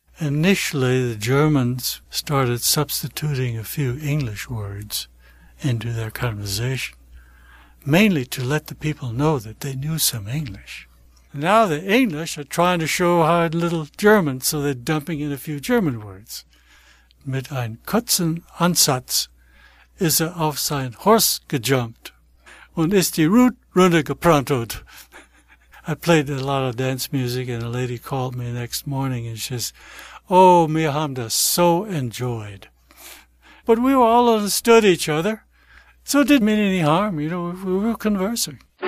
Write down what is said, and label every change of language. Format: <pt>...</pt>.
<en>Initially, the Germans started substituting a few English words into their conversation, mainly to let the people know that they knew some English. Now the English are trying to show how little German, so they're dumping in a few German words.</en> <de>Mit einem kurzen Ansatz ist er auf sein Horst gejumpt und ist die Rute runtergeprantet.</de> <en>I played a lot of dance music, and a lady called me the next morning and she says, oh,</en> <de>wir haben das so</de> <en>enjoyed. But we were all understood each other. So it didn't mean any harm, you know, we were conversing.</en>